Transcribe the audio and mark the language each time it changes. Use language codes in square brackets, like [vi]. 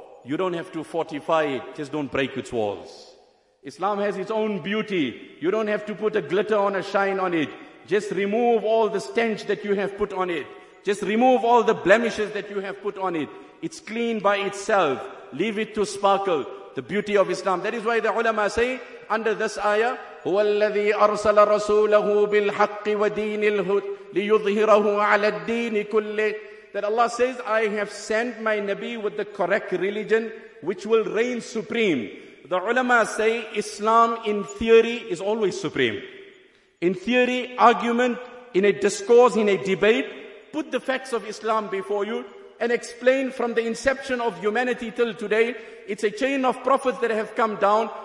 [en] You don't have to fortify it. Just don't break its walls. Islam has its own beauty. You don't have to put a glitter on a shine on it. Just remove all the stench that you have put on it. Just remove all the blemishes that you have put on it. It's clean by itself. Leave it to sparkle. The beauty of Islam. That is why the ulama say, under this ayah, [ar] هُوَ الَّذِي أَرْسَلَ رَسُولَهُ بِالْحَقِّ وَدِينِ الْهُدِ لِيُظْهِرَهُ عَلَى الدِّينِ كُلِّهِ. [en] That Allah says, I have sent my Nabi with the correct religion, which will reign supreme. The ulama say, Islam in theory is always supreme. In theory, argument, in a discourse, in a debate, put the facts of Islam before you and explain from the inception of humanity till today, it's a chain of prophets that have come down.